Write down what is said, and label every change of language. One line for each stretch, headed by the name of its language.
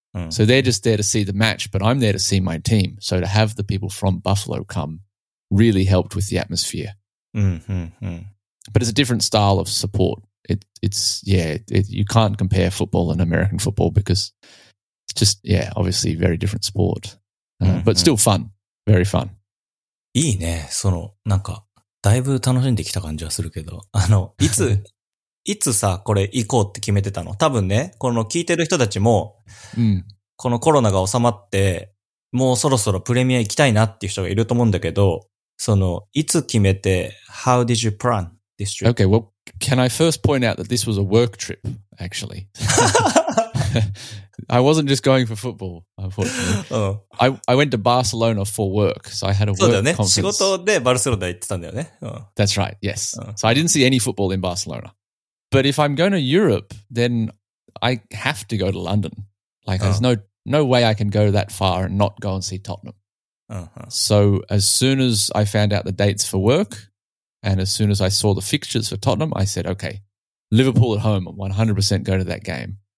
English: So they're just there to see the match, but I'm there to see my team. So to have the people from Buffalo come really helped with the atmosphere. But it's a different style of support. It's you can't compare football and American football because it's just, yeah, obviously very different sport. But still fun. Very fun.
Japanese: いいね。その、なんか、だいぶ楽しんできた感じはするけど、あの、いつさ、これ行こうって決めてたの？多分ね、この聞いてる人たちも、このコロナが収まって、もうそろそろプレミア行きたいなっていう人がいると思うんだけど、その、いつ決めて、
English: How did you plan this trip? Okay, well,Can I first point out that this was a work trip, actually? I wasn't just going for football, unfortunately. I went to Barcelona for work, so I had a work conference.
Japanese: そうだよね。仕事でバルセロナ行ってたんだよね。
English: That's right, yes. So I didn't see any football in Barcelona. But if I'm going to Europe, then I have to go to London. Like, there's no way I can go that far and not go and see Tottenham. So as soon as I found out the dates for work and as soon as I saw the fixtures for Tottenham, I said, okay, Liverpool at home, 100% go to that game.